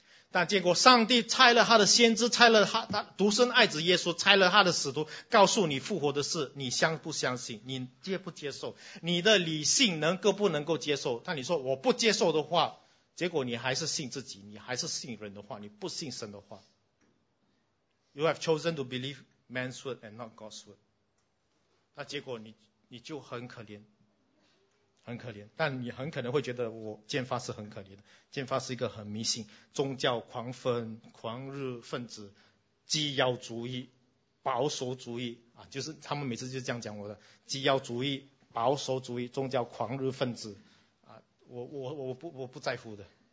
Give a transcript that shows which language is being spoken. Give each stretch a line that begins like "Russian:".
Chinese: 但结果上帝差了他的先知，差了他独生爱子耶稣，差了他的使徒告诉你复活的事，你相不相信？你接不接受？你的理性能够不能够接受？但你说我不接受的话，结果你还是信自己，你还是信人的话，你不信神的话。
English: You have chosen to believe man's word and not God's word.
Chinese: 那结果你就很可怜，很可怜。但你很可能会觉得我建发是很可怜的，建发是一个很迷信、宗教狂分、狂热分子、基要主义、保守主义啊，就是他们每次就这样讲我的，基要主义、保守主义、宗教狂热分子啊，我不在乎的。